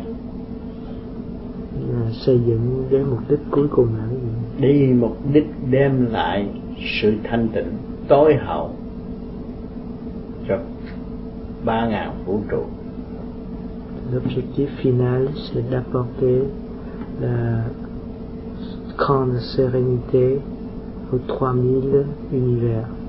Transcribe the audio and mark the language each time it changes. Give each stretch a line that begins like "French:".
French: Construit dans quel but final?
Vietnamese: Xây dựng cái mục đích cuối cùng là gì? Đi mục đích đem lại sự thanh tịnh tối hậu cho 3000 vũ trụ.
French: L'objectif final c'est d'apporter la grande sérénité aux 3000 univers.